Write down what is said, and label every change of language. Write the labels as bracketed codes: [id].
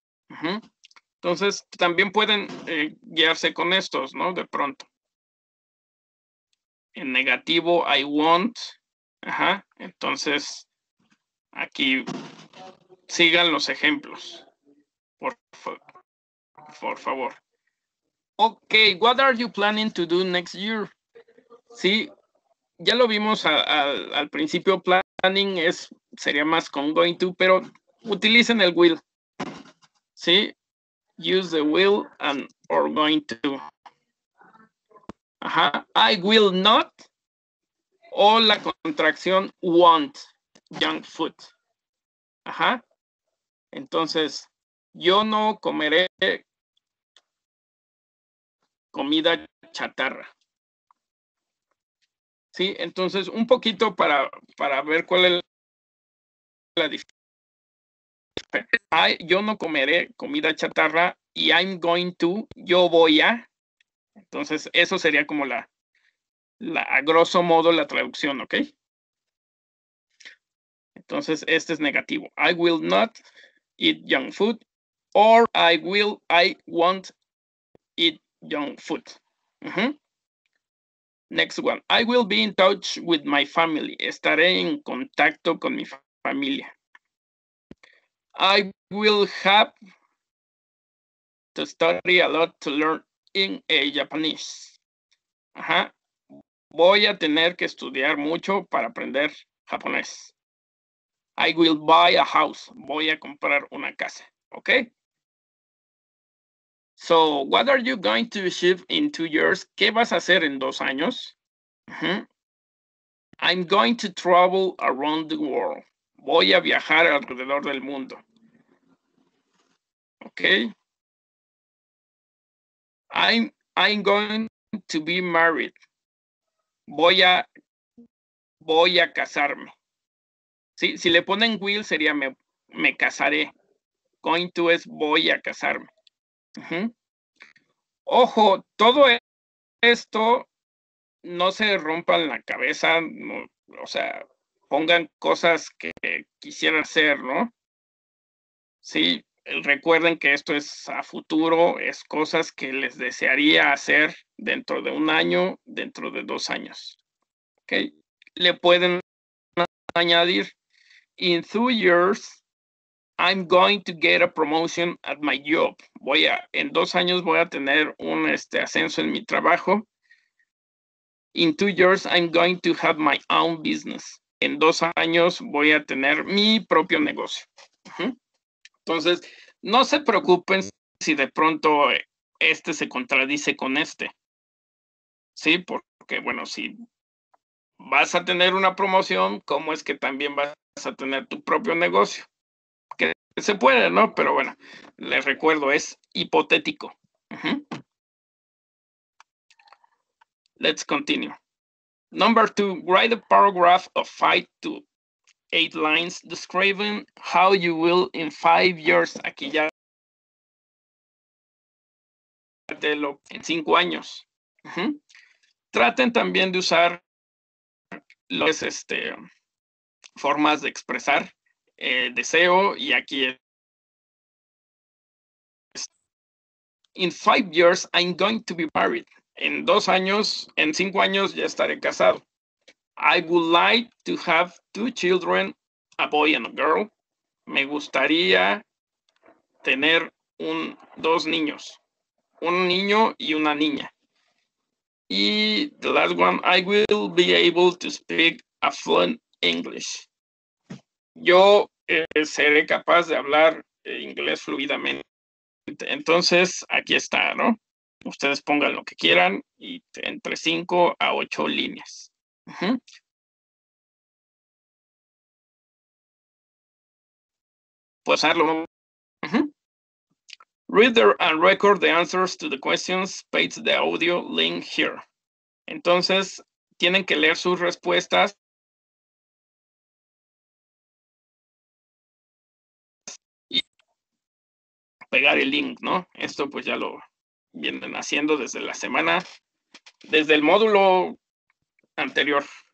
[es] Uh-huh. Entonces, también pueden guiarse con estos, ¿no? De pronto. En negativo, [en] I won't. [es] Ajá. Entonces, aquí sigan los ejemplos, por favor. [en] Okay, what are you planning to do next year? [es] Sí, ya lo vimos al principio. Planning sería más con going to, pero utilicen el will. [en] Sí, use the will and or going to. Ajá, I will not [es] o la contracción [en] won't. junk food. Ajá. [es] Entonces, yo no comeré comida chatarra. Sí, entonces, un poquito para ver cuál es la diferencia. Yo no comeré comida chatarra y [en] I'm going to, [es] yo voy a. Entonces, eso sería como la a grosso modo la traducción, ¿ok? Entonces, este es negativo. [en] I will not eat junk food or I won't eat junk food. Uh-huh. Next one. I will be in touch with my family. [es] Estaré en contacto con mi familia. [en] I will have to study a lot to learn in a Japanese. [es] Ajá. Voy a tener que estudiar mucho para aprender japonés. [en] I will buy a house. [es] Voy a comprar una casa. [en] Okay. So, what are you going to achieve in 2 years? [es] ¿Qué vas a hacer en 2 años? [en] Uh-huh. I'm going to travel around the world. [es] Voy a viajar alrededor del mundo. [en] Okay. I'm going to be married. [es] Voy a casarme. ¿Sí? Si le ponen will, sería me casaré. Going to es voy a casarme. Uh-huh. Ojo, todo esto no se rompan la cabeza, no, o sea, pongan cosas que quisieran hacer, ¿no? Sí, recuerden que esto es a futuro, es cosas que les desearía hacer dentro de un año, dentro de 2 años. [en] ¿Okay? [es] Le pueden añadir, [en] in 2 years, I'm going to get a promotion at my job. [es] En 2 años voy a tener un ascenso en mi trabajo. [en] In 2 years, I'm going to have my own business. [es] En 2 años voy a tener mi propio negocio. Entonces, no se preocupen si de pronto este se contradice con este. Sí, porque bueno, si vas a tener una promoción, ¿cómo es que también vas a tener tu propio negocio? Se puede, ¿no? Pero bueno, les recuerdo, es hipotético. [en] Uh-huh. Let's continue. Number 2, write a paragraph of 5 to 8 lines describing how you will in 5 years. [es] Aquí ya. En 5 años. Uh-huh. Traten también de usar las formas de expresar deseo y aquí. [en] In 5 years, I'm going to be married. [es] En 5 años, ya estaré casado. [en] I would like to have 2 children, a boy and a girl. [es] Me gustaría tener 2 niños. Un niño y una niña. [en] Y the last one, I will be able to speak a fluent English. [es] Yo seré capaz de hablar inglés fluidamente. Entonces, aquí está, ¿no? Ustedes pongan lo que quieran y entre 5 a 8 líneas. Uh-huh. Pues hazlo. Uh-huh. [en] Read and record the answers to the questions, page the audio, link here. [es] Entonces, tienen que leer sus respuestas. Pegar el link, ¿no? Esto pues ya lo vienen haciendo desde la semana, desde el módulo anterior.